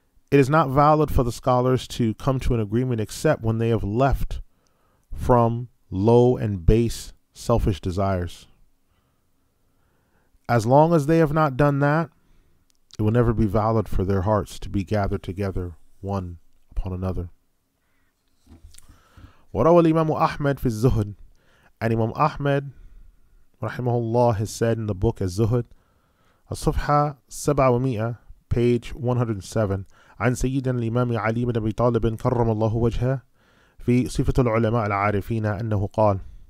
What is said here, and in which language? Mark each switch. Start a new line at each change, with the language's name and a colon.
English: It is not valid for the scholars to come to an agreement except when they have left from low and base selfish desires. As long as they have not done that, it will never be valid for their hearts to be gathered together one upon another.
Arabic: وروى الإمام أحمد في الزهد.
English: And Imam Ahmad, rahimahullah, has said in the book Az-Zuhud, As-Sufha 700, page 107,
Arabic: عن سيدنا الإمام علي بن أبي طالب كرم الله وجهه في صفة العلماء العارفين أنه قال,